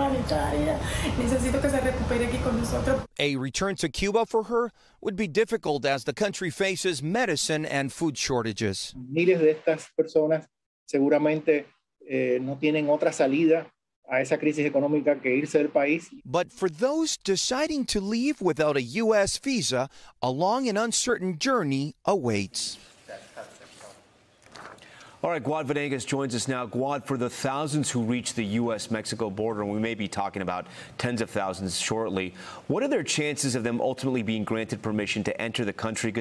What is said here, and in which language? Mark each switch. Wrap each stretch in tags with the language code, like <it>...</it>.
<en>A return to Cuba for her would be difficult as the country faces medicine and food shortages.</en> <es>Miles de estas personas seguramente no tienen otra salida a esa crisis económica que irse del país.</es> <en>But for those deciding to leave without a U.S. visa, a long and uncertain journey awaits. All right, Guad Venegas joins us now. Guad, for the thousands who reach the U.S.-Mexico border, and we may be talking about tens of thousands shortly, what are their chances of them ultimately being granted permission to enter the country?</en>